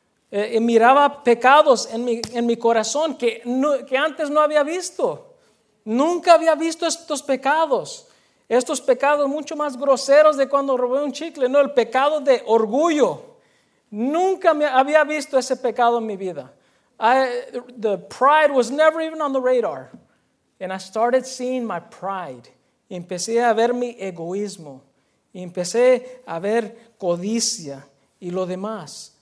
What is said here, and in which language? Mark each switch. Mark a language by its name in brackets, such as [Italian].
[Spanish] Y miraba pecados en mi corazón que antes no había visto. Nunca había visto estos pecados. Estos pecados mucho más groseros de cuando robé un chicle, no, el pecado de orgullo. Nunca me había visto ese pecado en mi vida. [English] The pride was never even on the radar. And I started seeing my pride. [Spanish] Empecé a ver mi egoísmo. Empecé a ver codicia y lo demás.